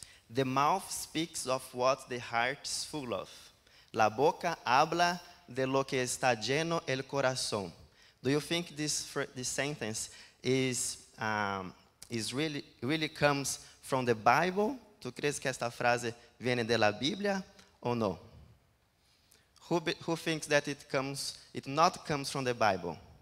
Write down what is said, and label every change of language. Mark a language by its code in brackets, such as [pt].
[en] The mouth speaks of what the heart is full of. [es] La boca habla de lo que está lleno el corazón. [en] Do you think this sentence is really comes from the Bible? [es] ¿Tú crees que esta frase viene de la Biblia o no? [en] Who thinks that it not comes from the Bible?